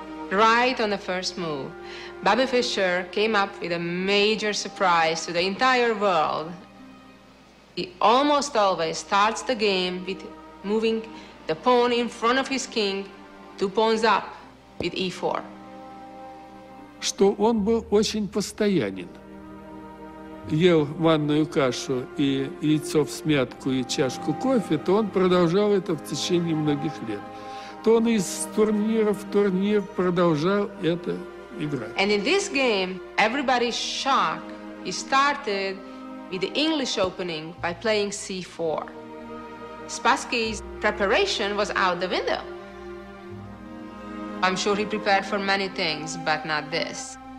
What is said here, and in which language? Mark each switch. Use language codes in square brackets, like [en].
[en] Right on the first move, Bobby Fischer came up with a major surprise to the entire world. He almost always starts the game with moving the pawn in front of his king, two pawns up with e4. [ru] Что он был очень постоянен. Ел манную кашу и яйцо в смятку и чашку кофе, то он продолжал это в течение многих лет. Он из турнира в турнир продолжал это играть. [en] And in this game, everybody's shocked. He started with the English opening by playing C4. Spassky's preparation was out the window. I'm sure he prepared for many things, but not this.